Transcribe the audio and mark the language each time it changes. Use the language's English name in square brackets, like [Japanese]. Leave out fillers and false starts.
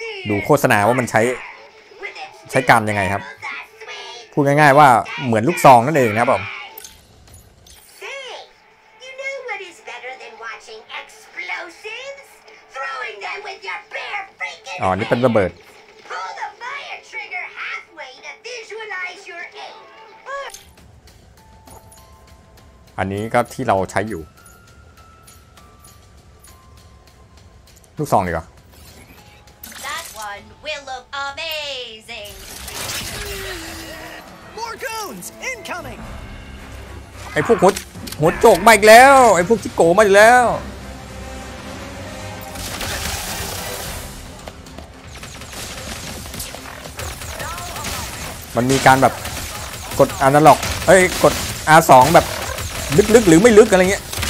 [Thai] ดูโฆษณาว่ามันใช้การยังไงครับพูดง่ายๆว่าเหมือนลูกซองนั่นเองนะครับผม [English] Say, you know what is better than watching explosives? throwing them with your bare freaking hands. [Thai] อ๋อนี่เป็นระเบิด [English] Pull the fire trigger halfway to visualize your aim. [Thai] อันนี้ก็ที่เราใช้อยู่ลูกซองดีกว่า [English] That one will look amazing. More goons incoming. [Thai] ไอ้พวกหัวโจกมาอีกแล้วไอ้พวกที่โกมาอีกแล้วมันมีการแบบกดอนาล็อกเฮ้ยกด R2 แบบลึกๆหรือไม่ลึกอะไรเงี้ย